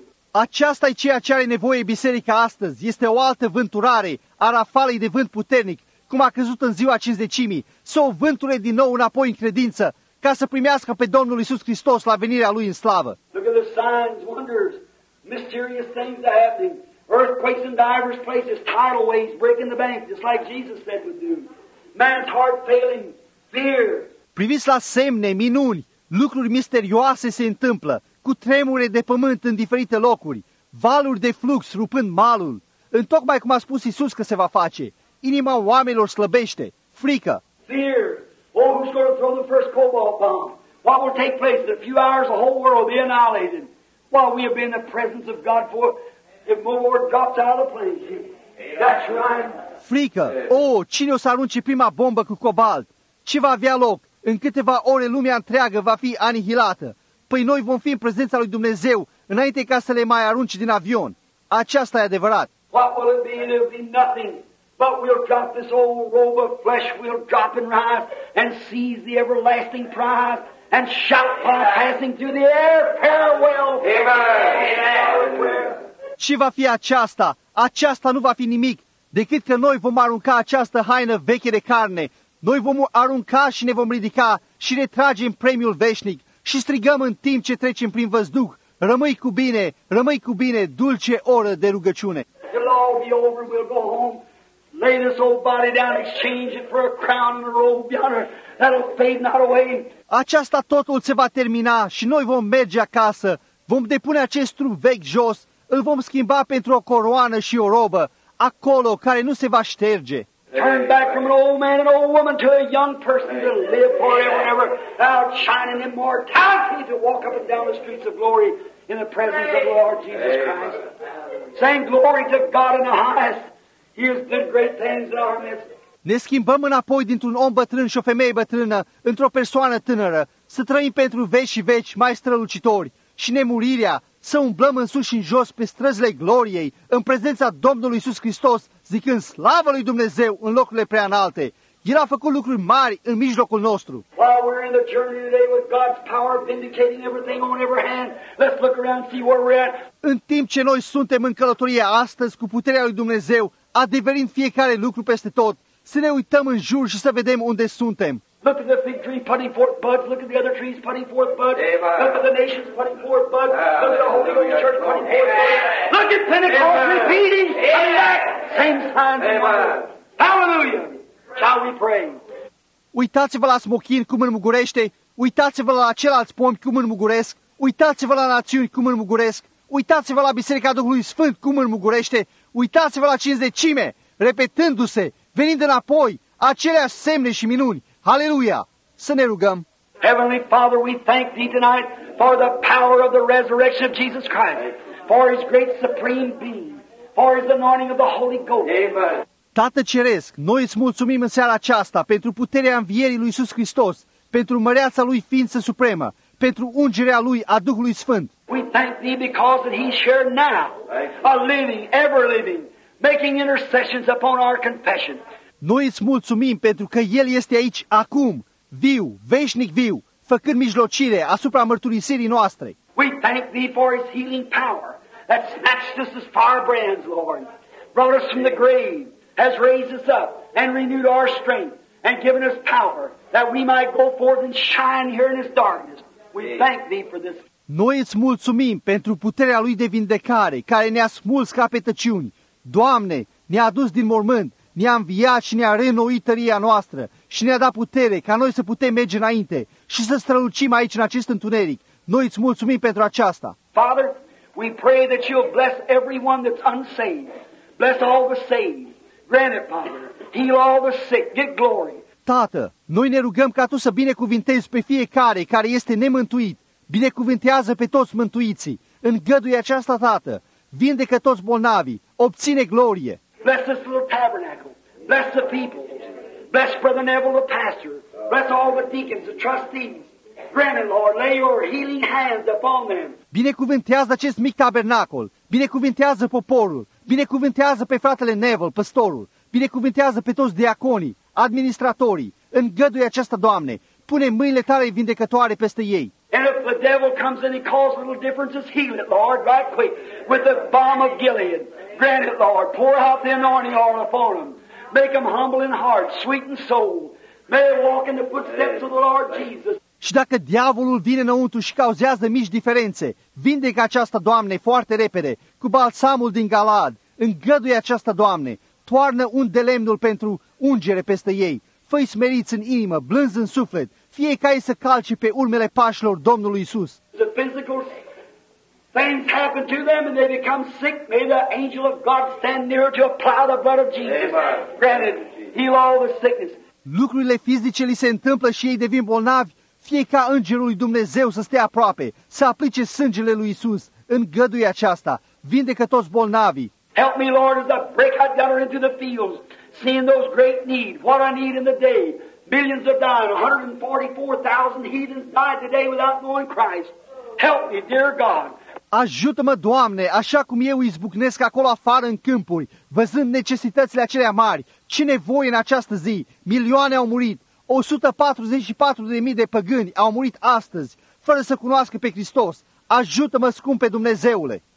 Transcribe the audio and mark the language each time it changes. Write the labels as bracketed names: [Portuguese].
[Romanian] Aceasta e ceea ce are nevoie biserica astăzi. Este o altă vânturare a rafalei de vânt puternic, cum a crezut în ziua cinzecimii, să o vânture din nou înapoi în credință, ca să primească pe Domnul Iisus Hristos la venirea Lui în slavă. [English] Look at the signs, wonders, mysterious things are happening. Earthquakes in diverse places, tidal waves breaking the bank, just like Jesus said would do. Man's heart failing, fear. [Romanian] Priviți la semne, minuni, lucruri misterioase se întâmplă, cu tremure de pământ în diferite locuri, valuri de flux rupând malul. Întocmai cum a spus Iisus că se va face, inima oamenilor slăbește, frică. [English] Fear. Oh, who's going to throw the first cobalt bomb? What will take place in a few hours? The whole world will be annihilated. While we have been in the presence of God for, if the Lord drops out of the plane. That's right. [Romanian] Frică. Oh, cine o să arunce prima bombă cu cobalt? Ce va avea loc? În câteva ore lumea întreagă va fi anihilată. Păi noi vom fi în prezența lui Dumnezeu înainte ca să le mai arunci din avion. Aceasta e adevărat. [English] What will it be? It'll be nothing. But we'll drop this old robe of flesh, we'll drop and rise and seize the everlasting prize and shout by passing through the air, farewell. Amen. [Romanian] Ce va fi aceasta? Aceasta nu va fi nimic decât că noi vom arunca această haină veche de carne. Noi vom arunca și ne vom ridica și ne tragem premiul veșnic. Și strigăm în timp ce trecem prin văzduh, rămâi cu bine, rămâi cu bine, dulce oră de rugăciune. [English] It'll all be over, we'll go home, lay this old body down, exchange it for a crown and a robe yonder, that'll fade not away. [Romanian] Aceasta totul se va termina și noi vom merge acasă, vom depune acest trup vechi jos, îl vom schimba pentru o coroană și o robă, acolo care nu se va șterge. [English] Turn back from an old man and old woman to a young person to live forever and ever, outshining immortality to walk up and down the streets of glory in the presence of the Lord Jesus Christ. Saying glory to God in the highest. He has done great things in our midst. [Romanian] Ne schimbăm înapoi dintr-un om bătrân și o femeie bătrână, într-o persoană tânără, să trăim pentru veci și veci mai strălucitori și nemurirea, să umblăm în sus și în jos pe străzile gloriei, în prezența Domnului Iisus Hristos, zicând slavă lui Dumnezeu în locurile prea înalte. El a făcut lucruri mari în mijlocul nostru. [English] While we're in the journey today with God's power vindicating everything on every hand, let's look around and see where we're at. [Romanian] În timp ce noi suntem în călătorie astăzi cu puterea lui Dumnezeu, adeverind fiecare lucru peste tot, să ne uităm în jur și să vedem unde suntem. [English] Look at the fig tree putting forth buds. Look at the other trees putting forth buds. Amen. Look at the nations putting forth buds. Look at the Holy Ghost Church putting forth buds. Look at Pentecost repeating. Coming back. Same signs. Amen. Hallelujah. Shall we pray? [Romanian] Uitați-vă la smochin cum înmugurește. Uitați-vă la ceilalți pomi cum înmuguresc. Uitați-vă la națiuni cum înmuguresc. Uitați-vă la Biserica Duhului Sfânt cum înmugurește. Uitați-vă la cinzecime repetându-se, venind înapoi, aceleași semne și minuni. Hallelujah. Să ne rugăm. [English] Heavenly Father, we thank Thee tonight for the power of the resurrection of Jesus Christ, for His great supreme being, for His anointing of the Holy Ghost. Amen. [Romanian] Tată Ceresc, noi îți mulțumim în seara aceasta pentru puterea învierii lui Iisus Hristos, pentru măreața Lui ființă supremă, pentru ungerea Lui a Duhului Sfânt. [English] We thank Thee because that He's here now, a living, ever living, making intercessions upon our confession. [Romanian] Noi îți mulțumim pentru că El este aici acum, viu, veșnic viu, făcând mijlocire asupra mărturisirii noastre. [English] We thank Thee for His healing power that snatched us as firebrands, Lord, brought us from the grave, has raised us up and renewed our strength and given us power that we might go forth and shine here in this darkness. We thank Thee for this. [Romanian] Noi îți mulțumim pentru puterea Lui de vindecare care ne-a smuls ca pe tăciuni. Doamne, ne-a adus din mormânt. Ne-a înviat și ne-a reînnoit tăria noastră și ne-a dat putere ca noi să putem merge înainte și să strălucim aici în acest întuneric. Noi îți mulțumim pentru aceasta. [English] Father, We pray that you'll bless everyone that's unsaved. Bless all the saved. Grant it, Father. Heal all the sick. Get glory. [Romanian] Tată, noi ne rugăm ca Tu să binecuvintezi pe fiecare care este nemântuit. Binecuvintează pe toți mântuiții. Îngăduie aceasta, Tată. Vindecă toți bolnavii. Obține glorie. [English] Bless this little tabernacle. Bless the people. Bless Brother Neville, the pastor. Bless all the deacons, the trustees. Grant it, Lord. Lay your healing hands upon them. [Romanian] Binecuvintează acest mic tabernacol. Binecuvintează poporul. Binecuvintează pe fratele Neville, păstorul. Binecuvintează pe toți diaconii, administratorii. Îngăduie aceasta, Doamne. Pune mâinile tale vindecătoare peste ei. [English] And if the devil comes and he calls little differences, heal it, Lord, right quick. With the balm of Gilead. Grant it, Lord. Pour out the anointing oil upon them. Make them humble in heart, sweet in soul. May they walk in the footsteps of the Lord Jesus. [Romanian] Și dacă diavolul vine înăuntru și cauzează mici diferențe, vindecă aceasta, Doamne, foarte repede, cu balsamul din Galad. Îngăduie aceasta, Doamne. Toarnă un de lemnul pentru ungere peste ei. Fă-i smeriți în inimă, blânzi în suflet. Fie ca ei să calce pe urmele pașilor Domnului Iisus. [English] The physical things happen to them and they become sick. May the angel of God stand nearer to apply the blood of Jesus. Granted, heal all the sickness. [Romanian] Lucrurile fizice li se întâmplă și ei devin bolnavi. Fie ca îngerul lui Dumnezeu să stea aproape, să aplice sângele lui Iisus. Îngăduie aceasta. Vindecă toți bolnavii. [English] Help me, Lord, as I break out down into the fields, seeing those great need, what I need in the day. Millions have died, 144,000 heathens died today without knowing Christ. Help me, dear God. [Romanian] Ajută-mă, Doamne, așa cum eu izbucnesc acolo afară în câmpuri, văzând necesitățile acelea mari. Ce nevoie în această zi? Milioane au murit. 144.000 de păgâni au murit astăzi, fără să cunoască pe Hristos. Ajută-mă, scumpe Dumnezeule!